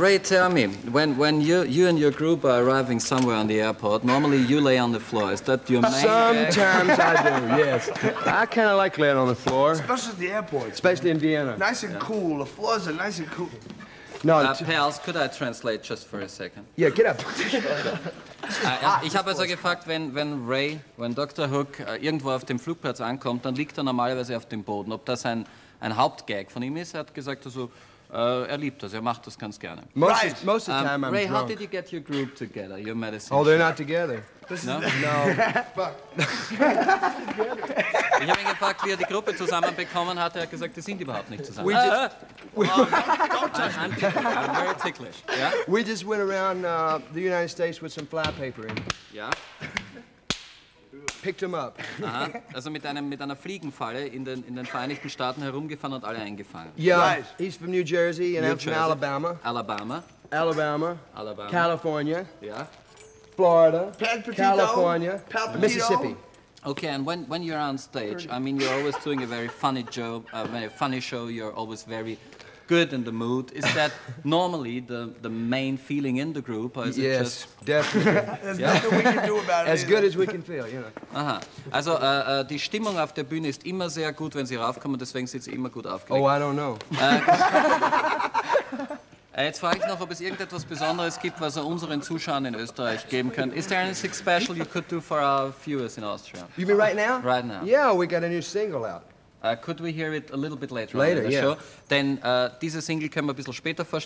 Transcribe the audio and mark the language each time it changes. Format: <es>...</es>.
<en>Ray, tell me, when you and your group are arriving somewhere on the airport, normally you lay on the floor. Is that your main? Sometimes I do, yes. I kind of like laying on the floor. Especially at the airport. Especially in Vienna. Nice and cool. The floors are nice and cool. No, pals, could I translate just for a second? Yeah, get up.</en> <de>ich habe also gefragt, wenn Dr. Hook irgendwo auf dem Flugplatz ankommt, dann liegt er normalerweise auf dem Boden. Ob das ein Hauptgag von ihm ist? Er hat gesagt, also Er liebt das. Er macht das ganz gerne.</de> <en>Most of the time, I'm Ray, Ray, how did you get your group together, your medicine? Oh, they're not together. No? No.</en> <de>Ich habe ihn gefragt, wie er die Gruppe zusammenbekommen hat. Er hat gesagt, die sind überhaupt nicht zusammen.</de> <en>I'm very ticklish. Yeah? We just went around the United States with some fly paper in. Yeah? Picked him up. Aha.</en> <de>Also mit einer Fliegenfalle in den Vereinigten Staaten herumgefahren und alle eingefangen.</de> <en>Yeah, right. He's from New Jersey and I'm from Alabama. Alabama. California. Yeah. Florida. Pan-Petito. California. Pal-Petito. Mississippi. Okay, and when you're on stage, I mean, you're always doing a very funny joke, a funny show. You're always very good in the mood. Is that normally the main feeling in the group, or is yes, it just... definitely. There's nothing we can do about it. As either. Good as we can feel, you know. Aha.</en> <de>Also, die Stimmung auf der Bühne ist immer sehr gut, wenn Sie raufkommen, deswegen sind Sie immer gut aufgelegt.</de> <en>Oh, I don't know.</en> <de>Jetzt frage ich noch, ob es irgendetwas Besonderes gibt, was er unseren Zuschauern in Österreich geben könnte.</de> <en>Is there anything special you could do for our viewers in Austria? You mean right now? Right now. Yeah, we got a new single out. Could we hear it a little bit later? Later, on the yeah.</en> <de>Show? Denn diese Single können wir ein bisschen später vorstellen.</de>